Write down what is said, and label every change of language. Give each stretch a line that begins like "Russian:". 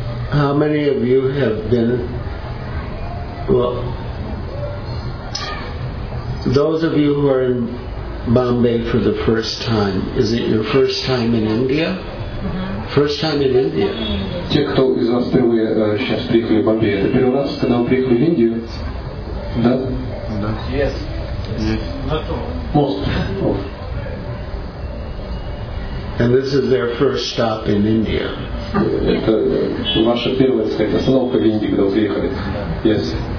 English: How many of you have been, well, those of you who are in Bombay for the first time, is it your first time in India? First time in India?
Russian: Те, кто из вас впервые сейчас приехали в Бомбей, это первый раз, когда вы приехали в Индию? Да? Да.
English: Yes. Most of. And this is their first stop in India.
Russian: Это ваша первая остановка в Индии, когда вы приехали?
English: Yes.